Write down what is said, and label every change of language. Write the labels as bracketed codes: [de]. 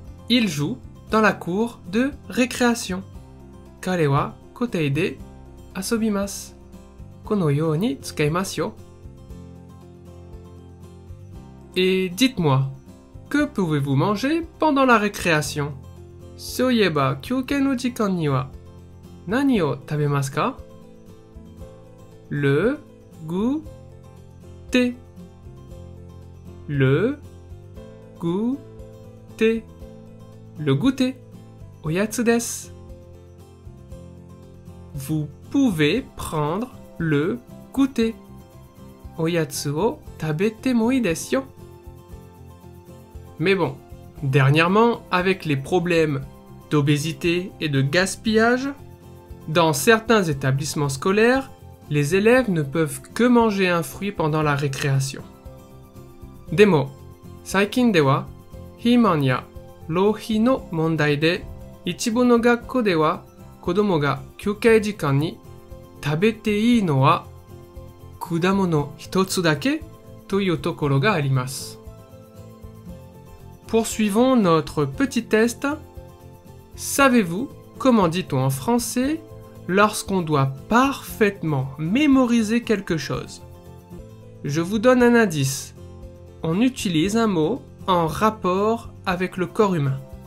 [fr] Il joue dans la cour de récréation. [ja] 彼は固定で遊びます。このように使いますよ。 [fr] Et dites-moi, que pouvez-vous manger pendant la récréation? [ja] そういえば休憩の時間には何を食べますか？ [fr] Le goûter. Le goûter. Le goûter. [ja] おやつです。 [fr] Vous pouvez prendre le goûter. [ja] Oyatsu o tabete mo ii desu yo. [fr] Mais bon, dernièrement, avec les problèmes d'obésité et de gaspillage, dans certains établissements scolaires, les élèves ne peuvent que manger un fruit pendant la récréation. [ja] Demo, 最近では、肥満や浪費の問題で、一部の学校では子供が休憩時間に食べていいのは果物一つだけというところがあります。 [fr] Poursuivons notre petit test. Savez-vous comment dit-on en français lorsqu'on doit parfaitement mémoriser quelque chose? Je vous donne un indice. On utilise un mot en rapport avec le corps humain.